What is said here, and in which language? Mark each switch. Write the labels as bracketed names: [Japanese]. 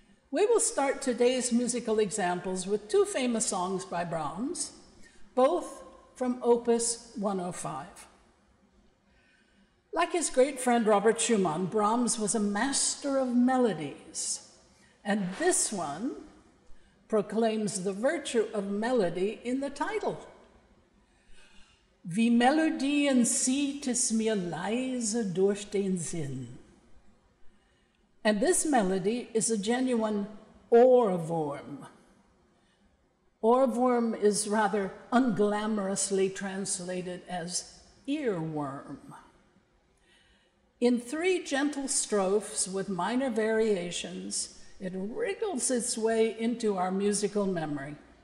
[English] We will start today's musical examples with two famous songs by Brahms, both from Opus 105. Like his great friend Robert Schumann, Brahms was a master of melodies, and this one proclaims the virtue of melody in the title. [German] Wie Melodien zieht es mir leise durch den Sinn. [English] And this melody is a genuine Ohrwurm. Ohrwurm is rather unglamorously translated as earworm. In three gentle strophes with minor variations, it wriggles its way into our musical memory.